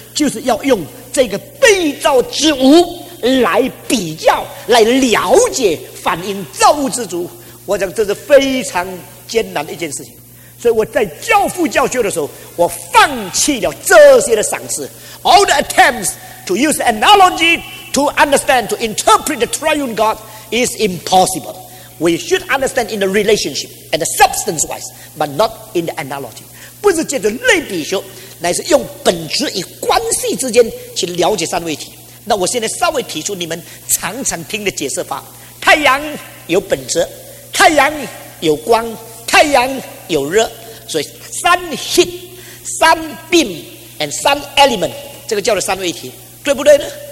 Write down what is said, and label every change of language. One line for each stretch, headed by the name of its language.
Chinese: 就是要用这个被造之物来比较，来了解反映造物之主。我讲这是非常艰难的一件事情，所以我在教父教学的时候，我放弃了这些的赏赐。
English: All the attempts to use analogy to understand, to interpret the triune God is impossible. We should understand in the relationship and the substance wise, but not in the analogy.
Chinese: 不是借着类比学，乃是用本质与关系之间去了解三位一体。那我现在稍微提出你们常常听的解释法：太阳有本质，太阳有光，太阳有热，所以三 heat、三
English: beam and
Chinese: 三 element， 这个叫做三位一体，对不对呢？